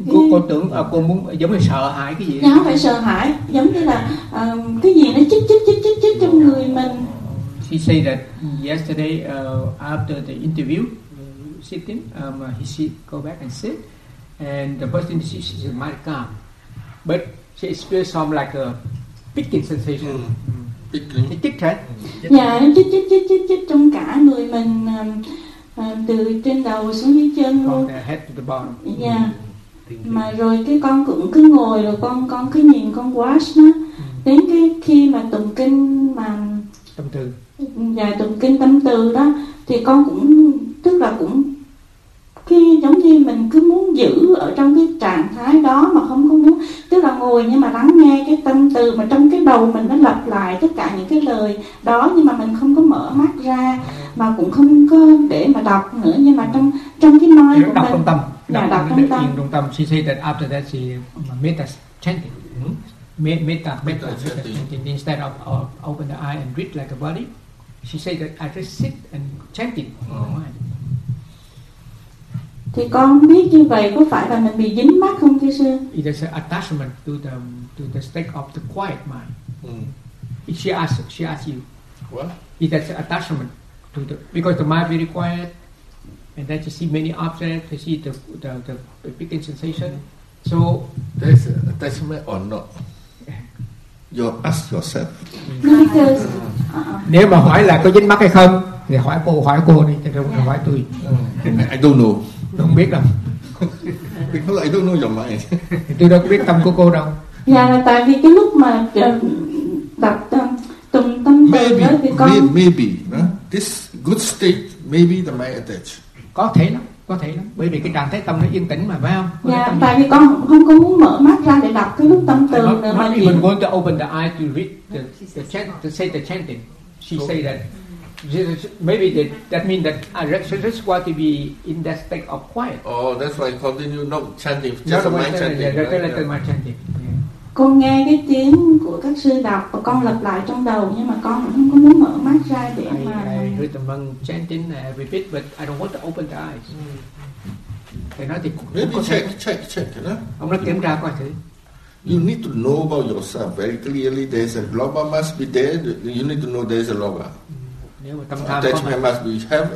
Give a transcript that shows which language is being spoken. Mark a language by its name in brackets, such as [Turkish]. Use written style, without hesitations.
[Vietnamese] cô tưởng cô muốn giống như sợ hãi cái gì? Không phải sợ hãi, giống như là cái gì nó chích trong người mình. [English] She said that yesterday after the interview, sitting, she go back and sit, and the person she said might calm, but she experienced some like a picking sensation. Picking. [Vietnamese] Chích hết. Dạ, chích trong cả người mình. Từ trên đầu xuống dưới chân luôn. [English] Head to the bottom. Yeah. [Vietnamese] Mà rồi cái con cũng cứ ngồi rồi con cứ nhìn con watch nó. Đến cái khi mà tụng kinh mà tâm từ. Dạ, tụng kinh tâm từ đó thì con cũng tức là cũng khi giống như mình cứ muốn giữ ở trong cái trạng thái đó mà không có muốn, tức là ngồi nhưng mà lắng nghe cái tâm từ mà trong cái đầu mình nó lặp lại tất cả những cái lời đó, nhưng mà mình không có mở mắt ra mà cũng không có để mà đọc nữa, nhưng mà trong cái mind của đọc mình tâm. Đọc trong tâm. [English] She said that after that she made the chanting. Meta chanting. Instead of open the eye and read like a body, she said that I just sit and chanting. Thì con biết như vậy có phải là mình bị dính mắc không thưa sư? It is an attachment to the state of the quiet mind. She asked you. What? It is an attachment to the, because the mind very quiet, and then you see many objects, you see the picking sensation. So there's an attachment or not? You ask yourself. [Vietnamese] Nếu mà hỏi là có dính mắc hay không thì hỏi cô đi, chứ không phải hỏi tôi. [English] I don't know. [Vietnamese] Tôi không biết đâu. [English] Because I don't know your mind. [Vietnamese] Tôi đâu có biết tâm của cô đâu. Dạ, là tại vì cái lúc mà đặt tùng tâm từ đó thì con... [English] Maybe. This good state, maybe the mind attached. [Vietnamese] Có thể lắm. Bởi vì cái trạng thái tâm nó yên tĩnh mà, phải không? Dạ, tại vì con không có muốn mở mắt ra để đọc cái lúc tâm từ. [English] Mình want to open the eye to read the chant, to say the chanting. She say that. Maybe that means that I just want to be in that state of quiet. Oh, that's why I continue not chanting, just my chanting. Yeah, right? My chanting. Yeah. [Vietnamese] Con nghe cái tiếng của các sư đọc và con lặp lại trong đầu, nhưng mà con không có muốn mở mắt ra để [English] I heard the monk chanting, repeat, but I don't want to open the eyes. [Vietnamese] Mm. Nói thì [English] maybe check. [Vietnamese] Ông nói kiểm tra coi thử. [English] You need to know about yourself very clearly. There's a loba must be there. You need to know there's a loba. Attachment must be have.